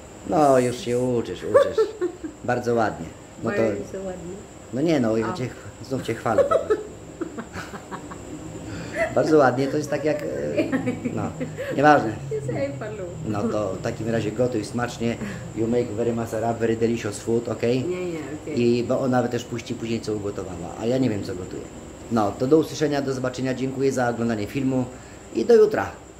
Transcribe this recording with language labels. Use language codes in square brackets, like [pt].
[pl] No, już się uczysz. Bardzo ładnie. No to... Bardzo ładnie. No nie, no, ja cię, znów cię chwalę. Bardzo ładnie, to jest tak jak, no, nieważne. No to w takim razie gotuj smacznie. [en] You make very masara, very delicious food, ok? [pl] Nie, okay. I bo ona też puści później, co ugotowała, a ja nie wiem, co gotuje. No, to do usłyszenia, do zobaczenia, dziękuję za oglądanie filmu i do jutra.